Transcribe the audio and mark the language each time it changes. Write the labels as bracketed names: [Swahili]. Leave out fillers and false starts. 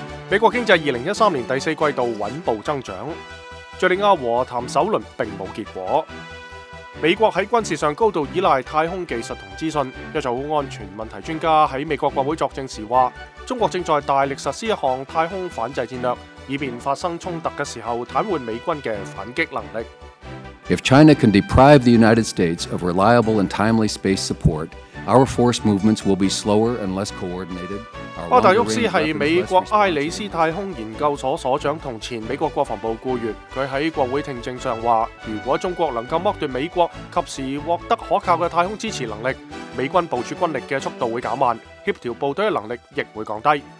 [Chinese] 美国经济2013年第四季度稳步增长。叙利亚和谈首轮并无结果。美国在军事上高度依赖太空技术和资讯。一组安全问题专家在美国国会作证时说，中国正在大力实施一项太空反制战略，以便发生冲突的时候瘫痪美军的反击能力。 [English] If China can deprive the United States of reliable and timely space support, our force movements will be slower and less coordinated. [Chinese] 巴特沃斯是美国埃里斯太空研究所所长和前美国国防部雇员。他在国会听证上说，如果中国能够剥夺美国及时获得可靠的太空支持能力，美军部署军力的速度会减慢，协调部队的能力亦会降低。